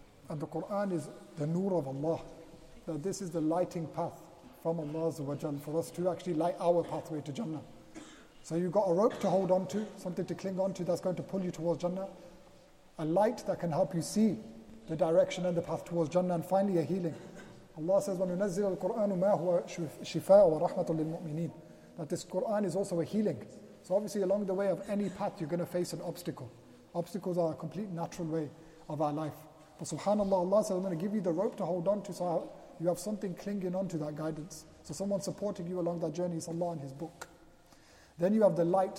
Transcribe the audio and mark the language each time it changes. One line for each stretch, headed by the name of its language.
English: And the Quran is the nur of Allah. That this is the lighting path from Allah Azawajal for us to actually light our pathway to Jannah. So you've got a rope to hold on to, something to cling on to that's going to pull you towards Jannah. A light that can help you see the direction and the path towards Jannah. And finally, a healing. Allah says,
Arabic: وَنُنَزِّلَ الْقُرْآنُ مَا هُوَ شِفَاءٌ وَرَحْمَةٌ لِلْمُؤْمِنِينَ.
English: That this Quran is also a healing. So obviously along the way of any path, you're going to face an obstacle. Obstacles are a complete natural way of our life. But SubhanAllah, Allah says, I'm going to give you the rope to hold on to, so you have something clinging on to, that guidance. So someone supporting you along that journey is Allah and His book. Then you have the light.